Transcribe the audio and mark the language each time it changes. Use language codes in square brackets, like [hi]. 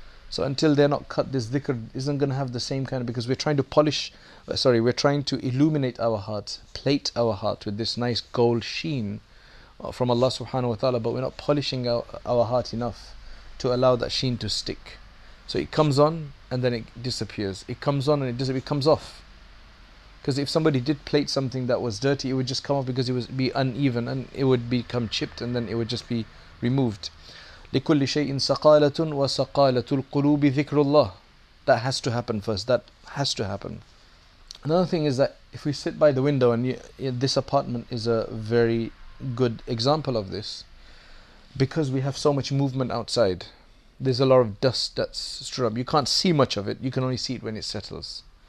[en] So until they're not cut, this dhikr isn't going to have the same kind of, because we're trying to polish, sorry, we're trying to illuminate our heart, plate our heart with this nice gold sheen from Allah subhanahu wa ta'ala, but we're not polishing our heart enough to allow that sheen to stick. So it comes on and then it disappears. It comes on and it disappears, it comes off. Because if somebody did plate something that was dirty, it would just come off because it would be uneven and it would become chipped and then it would just be removed. [ar] لكل شيء سقالة وسقالة القلوب ذكر الله. [en] That has to happen first. That has to happen. Another thing is that if we sit by the window, and this apartment is a very good example of this, because we have so much movement outside, there's a lot of dust that's stirred up. You can't see much of it. You can only see it when it settles.